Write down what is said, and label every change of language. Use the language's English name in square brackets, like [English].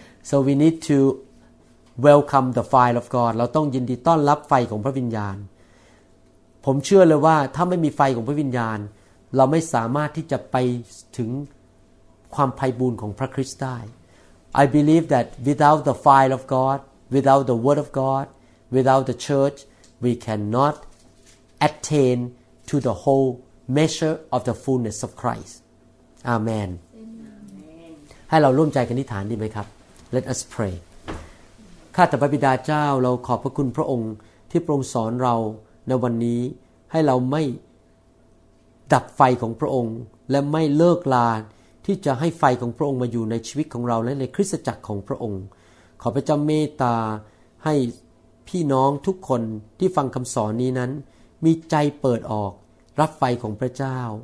[English] So we need to welcome the fire of God. [Thai] เราต้องยินดีต้อนรับไฟของพระวิญญาณผมเชื่อเลยว่าถ้าไม่มีไฟของพระวิญญาณเราไม่สามารถที่จะไปถึงความไพบูลย์ของพระคริสต์ได้ [English] I believe that without the fire of God, without the word of God, without the church, we cannot attain to the whole. Measure of the fullness of Christ. Amen. Amen. [Thai] ให้เราร่วมใจกันอธิษฐานดีไหมครับ [English] Let us pray. [Thai] ข้าแต่พระบิดาเจ้าเราขอบพระคุณพระองค์ที่ทรงสอนเราในวันนี้ให้เราไม่ดับไฟของพระองค์และไม่เลิกลาที่จะให้ไฟของพระองค์มาอยู่ในชีวิตของเราและในคริสตจักรของพระองค์ขอพระเจ้าเมตตาให้พี่น้องทุกคนที่ฟังคำสอนนี้นั้นมีใจเปิดออกรับไฟของพระเจ้า